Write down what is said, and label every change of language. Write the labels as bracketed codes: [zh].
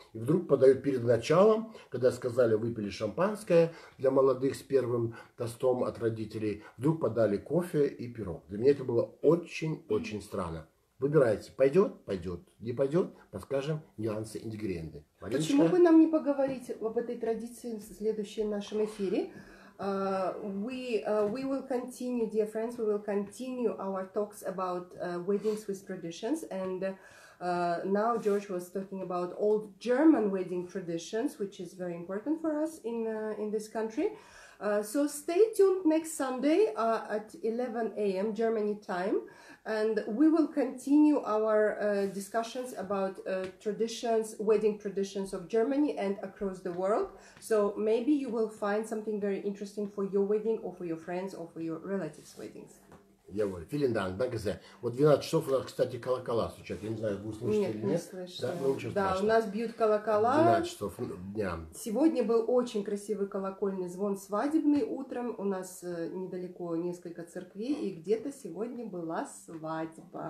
[ru] И вдруг подают перед началом, когда сказали, выпили шампанское для молодых с первым тостом от родителей, вдруг подали кофе и пирог. Для меня это было очень-очень странно. Выбирайте, пойдет, пойдет, не пойдет, подскажем нюансы ингредиенты. Почему бы нам не поговорить об этой традиции в следующем нашем эфире? [en] We will continue, dear friends, we will continue our talks about weddings with traditions. And now George was talking about old German wedding traditions, which is very important for us in this country. So stay tuned next Sunday at 11 a.m. Germany time. And we will continue our discussions about traditions, wedding traditions of Germany and across the world. So maybe you will find something very interesting for your wedding or for your friends or for your relatives' weddings. [ru] Я говорю, [de] vielen Dank, danke sehr. [ru] Вот 12 часов у нас, кстати, колокола стучат. Я не знаю, вы услышите нет, или нет. Не слышно. Да, ничего страшного. У нас бьют колокола. 12 часов дня. Сегодня был очень красивый колокольный звон свадебный утром. У нас недалеко несколько церквей, и где-то сегодня была свадьба.